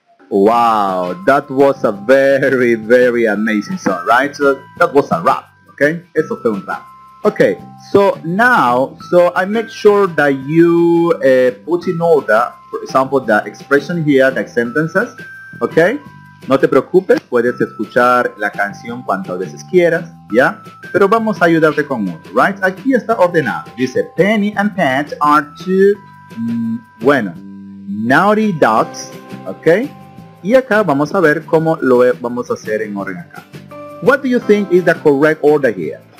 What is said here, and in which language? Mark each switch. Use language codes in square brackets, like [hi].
[en] Wow, that was a very, very amazing song, right? So that was a rap, okay? [es] Eso fue un rap. [en] Okay, so now, so I make sure that you put in order, for example, the expression here, the sentences, okay? [es] No te preocupes, puedes escuchar la canción cuantas veces quieras, ¿ya? Pero vamos a ayudarte con uno, right? Aquí está ordenado. [en] Dice, Penny and Pat are two, bueno, naughty dogs, okay? [es] Y acá vamos a ver cómo lo vamos a hacer en orden acá. [en] What do you think is the correct order here?